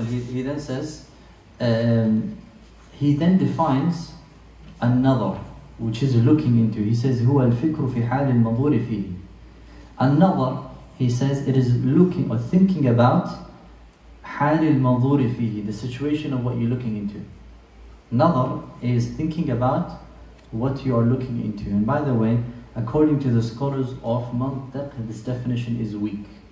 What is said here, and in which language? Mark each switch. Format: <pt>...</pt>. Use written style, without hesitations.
<en>He then says, he then defines another, which is looking into. He says,</en> <ar>هو الفكر في حال المنظور فيه.</ar> <en>Another, he says, it is looking or thinking about</en> <ar>حال المنظور فيه,</ar> <en>the situation of what you're looking into. Another is thinking about what you are looking into. And by the way, according to the scholars of Mantiq, this definition is weak.</en>